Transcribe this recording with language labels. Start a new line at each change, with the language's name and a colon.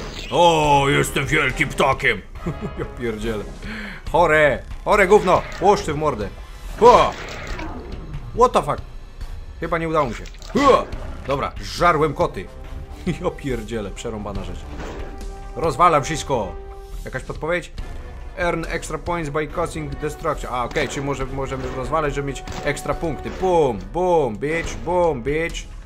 Polish: O, jestem wielkim ptakiem! Ja pierdzielę. Chore! Chore gówno! Łoszczy w mordę! Ha!
English: What the fuck?
Polish: Chyba nie udało mi się. Ha! Dobra, żarłem koty. Ja pierdzielę, przerąbana rzecz. Rozwalam wszystko! Jakaś podpowiedź?
English: Earn extra points by causing destruction.
Polish: A, okej, okay, czyli możemy rozwalać, żeby mieć extra punkty.
English: Boom, boom, bitch, boom, bitch.